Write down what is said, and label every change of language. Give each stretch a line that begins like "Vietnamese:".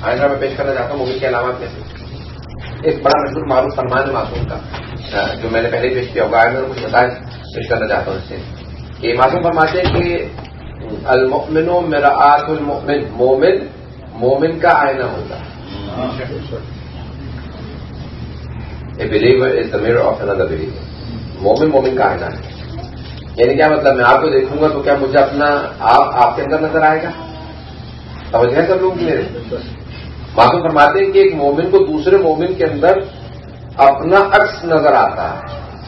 Urdu: آئندہ میں پیش کرنا چاہتا ہوں مووی کے علامات میں سے ایک بڑا مشہور معروف فرمان معصوم کا جو میں نے پہلے پیش کیا ہوگا, میں کچھ نتائج پیش کرنا چاہتا ہوں اس سے. یہ معصوم فرماتے ہیں کہ
Arabic: المؤمن مرآت المؤمن,
Urdu: مومن مومن کا آئینہ ہوتا ہے.
English: A believer is the mirror of another believer.
Urdu: مومن مومن کا آئینہ ہے. یعنی کیا مطلب, میں آپ کو دیکھوں گا تو کیا مجھے اپنا آپ کے اندر نظر آئے گا؟ سمجھ گئے سب لوگ میرے؟ معصوم فرماتے ہیں کہ ایک مومن کو دوسرے مومن کے اندر اپنا عکس نظر آتا ہے.